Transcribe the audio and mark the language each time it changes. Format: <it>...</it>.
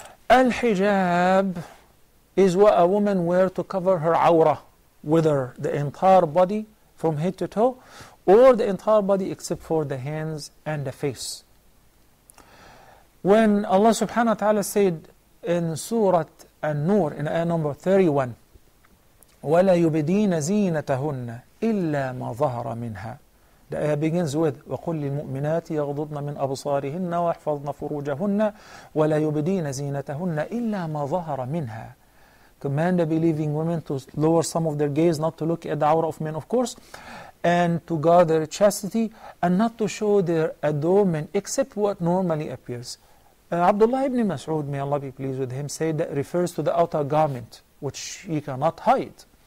<en>Al-hijab is what a woman wears to cover her awra, whether the entire body from head to toe or the entire body except for the hands and the face. When Allah subhanahu wa ta'ala said in Surah An-Nur, in ayah number 31,</en> <ar>وَلَا يُبْدِينَ زِينَتَهُنَّ إِلَّا مَا ظَهَرَ مِنْهَا.</ar> <en>The ayah begins with,</en> <ar>وَقُلْ لِلْمُؤْمِنَاتِ يَغْضُضْنَ مِنْ أَبْصَارِهِنَّ وَاحْفَظْنَ فُرُوجَهُنَّ وَلَا يُبْدِينَ زِينَتَهُنَّ إِلَّا مَا ظَهَرَ مِنْهَا.</ar> <en>Command the believing women to lower some of their gaze, not to look at the awrah of men, of course, and to guard their chastity, and not to show their adornment except what normally appears. Abdullah ibn Mas'ud, may Allah be pleased with him, said that refers to the outer garment, which he cannot hide.</en>